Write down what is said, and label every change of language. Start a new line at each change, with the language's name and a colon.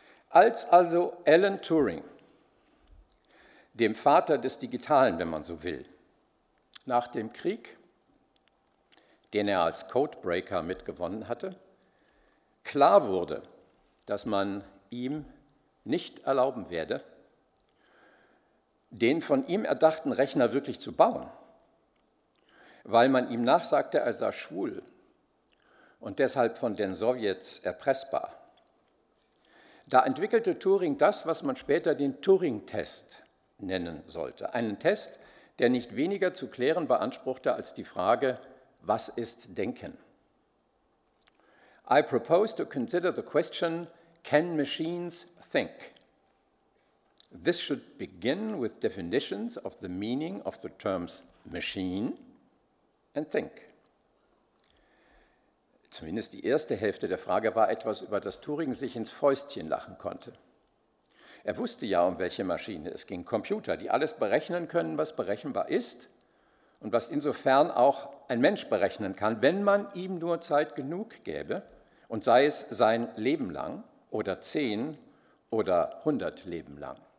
German: Als also Alan Turing, dem Vater des Digitalen, wenn man so will, nach dem Krieg, den er als Codebreaker mitgewonnen hatte, klar wurde, dass man ihm nicht erlauben werde, den von ihm erdachten Rechner wirklich zu bauen, weil man ihm nachsagte, er sei schwul und deshalb von den Sowjets erpressbar. Da entwickelte Turing das, was man später den Turing-Test nennen sollte. Einen Test, der nicht weniger zu klären beanspruchte als die Frage, was ist Denken?
English: I propose to consider the question, can machines think? This should begin with definitions of the meaning of the terms machine and think.
German: Zumindest die erste Hälfte der Frage war etwas, über das Turing sich ins Fäustchen lachen konnte. Er wusste ja, um welche Maschine es ging. Computer, die alles berechnen können, was berechenbar ist und was insofern auch ein Mensch berechnen kann, wenn man ihm nur Zeit genug gäbe und sei es sein Leben lang oder 10 oder 100 Leben lang.